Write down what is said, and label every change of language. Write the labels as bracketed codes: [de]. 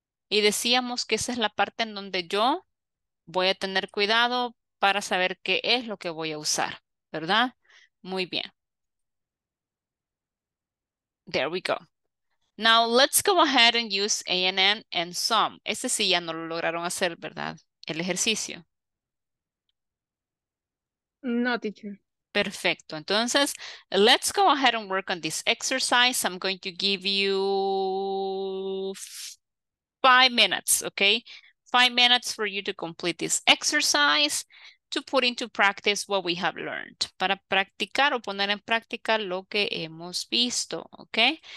[es] Y decíamos que esa es la parte en donde yo voy a tener cuidado para saber qué es lo que voy a usar, ¿verdad? Muy bien. [en] There we go. Now, let's go ahead and use ANN and some. [es] Este sí ya no lo lograron hacer, ¿verdad? El ejercicio. [en] No, teacher. [es] Perfecto. Entonces, [en] let's go ahead and work on this exercise. I'm going to give you 5 minutes, okay? 5 minutes for you to complete this exercise to put into practice what we have learned. [es] Para practicar o poner en práctica lo que hemos visto, okay?